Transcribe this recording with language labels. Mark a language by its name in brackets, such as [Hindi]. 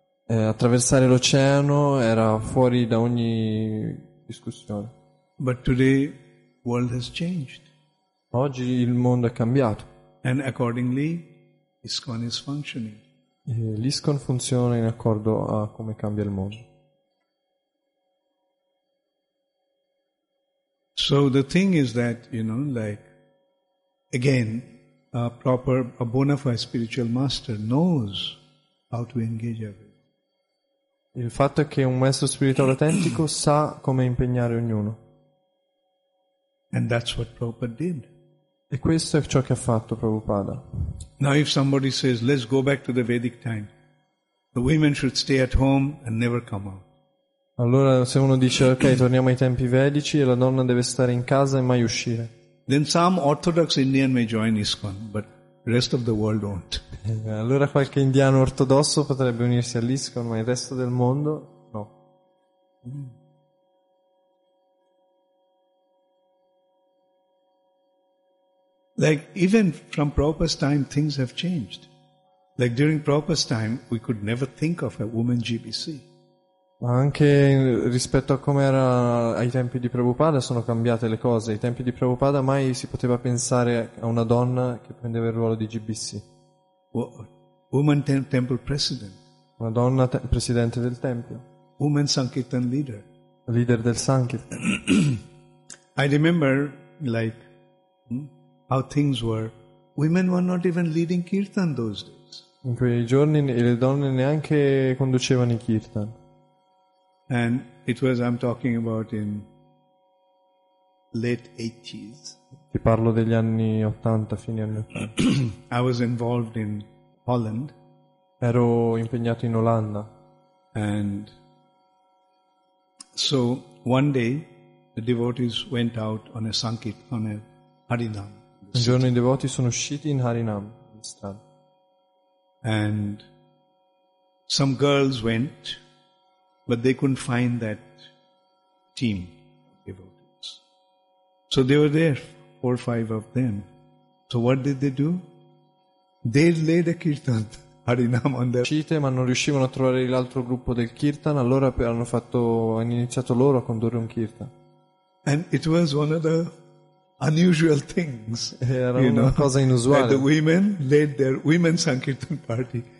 [Italian] Attraversare l'oceano era fuori da ogni discussione. [English] But today, world has changed. [Italian] Oggi il mondo è cambiato. [English] And accordingly, ISKCON is functioning. [Italian] E l'ISKCON funziona in accordo a come cambia il mondo. [English] So the thing is that, you know, like, again, a bona fide spiritual master knows how to engage everyone. [Italian] Il fatto è che un maestro spirituale autentico sa come impegnare ognuno. [English] And that's what Prabhupada did. [Italian] E questo è ciò che ha fatto Prabhupada. [English] Now if somebody says, let's go back to the Vedic time, the women should stay at home and never come out. [Italian] Allora se uno dice ok, torniamo ai tempi vedici e la donna deve stare in casa e mai uscire. [English] Then some orthodox Indian may join ISKCON, but rest of the world won't. [Italian] Allora qualche indiano ortodosso potrebbe unirsi all'ISKCON, ma il resto del mondo no. [English] Like even from Prabhupada's time things have changed. Like during Prabhupada's time we could never think of a woman GBC. [Italian] Ma anche rispetto a come era ai tempi di Prabhupada sono cambiate le cose. Ai tempi di Prabhupada mai si poteva pensare a una donna che prendeva il ruolo di GBC. [English] Woman temple president. [Italian] Una donna presidente del tempio. [English] Woman Sankirtan leader. [Italian] Leader del Sankirtan. [English] I remember like how things were. Women were not even leading Kirtan those days. [Italian] In quei giorni le donne neanche conducevano i Kirtan. [English] And it was, I'm talking about in late 80s. [Italian] Ti parlo degli anni 80, fine anni 80. [English] I was involved in Holland. [Italian] Ero impegnato in Olanda. [English] And so one day the devotees went out on a sankit, on a Harinam. Un giorno i devoti sono usciti in Harinam, in strada. And some girls went. But they couldn't find that team of devotees. So they were there, four or five of them. So what did they do? They laid a kirtan harinam on their. [Italian] Uscite, ma non riuscivano a trovare l'altro gruppo del kirtan. Allora hanno iniziato loro a condurre un kirtan. [English] And it was one of the unusual things. [Italian] Era una cosa inusuale. [English] That the women led their women sankirtan party.